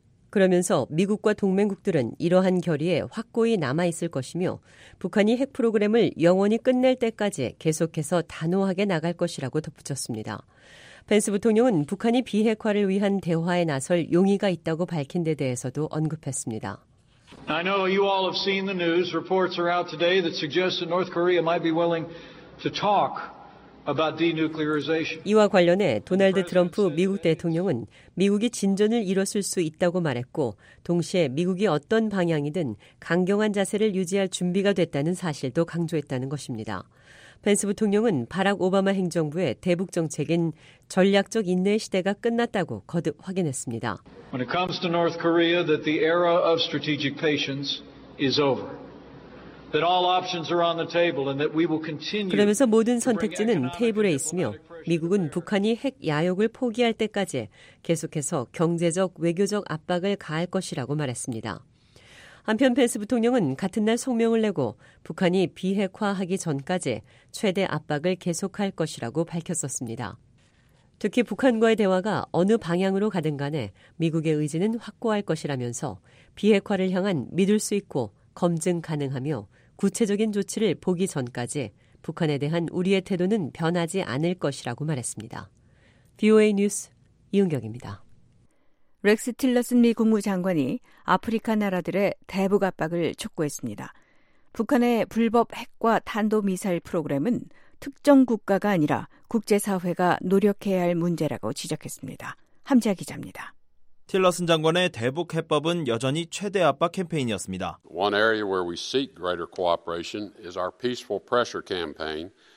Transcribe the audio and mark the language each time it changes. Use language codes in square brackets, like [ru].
[ko] 그러면서 미국과 동맹국들은 이러한 결의에 확고히 남아있을 것이며 북한이 핵 프로그램을 영원히 끝낼 때까지 계속해서 단호하게 나갈 것이라고 덧붙였습니다. 펜스 부통령은 북한이 비핵화를 위한 대화에 나설 용의가 있다고 밝힌 데 대해서도 언급했습니다. [en] I know you all have seen the news. Reports are out today that suggest that North Korea might be willing to talk about denuclearization. [ko] 이와 관련해 도널드 트럼프 미국 대통령은 미국이 진전을 이뤘을 수 있다고 말했고 동시에 미국이 어떤 방향이든 강경한 자세를 유지할 준비가 됐다는 사실도 강조했다는 것입니다. 펜스 부통령은 바락 오바마 행정부의 대북 정책인 전략적 인내 시대가 끝났다고 거듭 확인했습니다. [en] When it comes to North Korea, that the era of strategic patience is over. That all options are on the table and that we will continue. [ko] 그러면서 모든 선택지는 테이블에 있으며 미국은 북한이 핵 야욕을 포기할 때까지 계속해서 경제적 외교적 압박을 가할 것이라고 말했습니다. 한편 펜스 부통령은 같은 날 성명을 내고 북한이 비핵화하기 전까지 최대 압박을 계속할 것이라고 밝혔었습니다. 특히 북한과의 대화가 어느 방향으로 가든 간에 미국의 의지는 확고할 것이라면서 비핵화를 향한 믿을 수 있고 검증 가능하며 구체적인 조치를 보기 전까지 북한에 대한 우리의 태도는 변하지 않을 것이라고 말했습니다. VOA 뉴스 이은경입니다. 렉스 틸러슨 미 국무장관이 아프리카 나라들의 대북 압박을 촉구했습니다. 북한의 불법 핵과 탄도미사일 프로그램은 특정 국가가 아니라 국제사회가 노력해야 할 문제라고 지적했습니다. 함재아 기자입니다. 틸러슨 장관의 대북 해법은 여전히 최대 압박 캠페인이었습니다. [en] One area where we seek greater cooperation is our peaceful pressure campaign.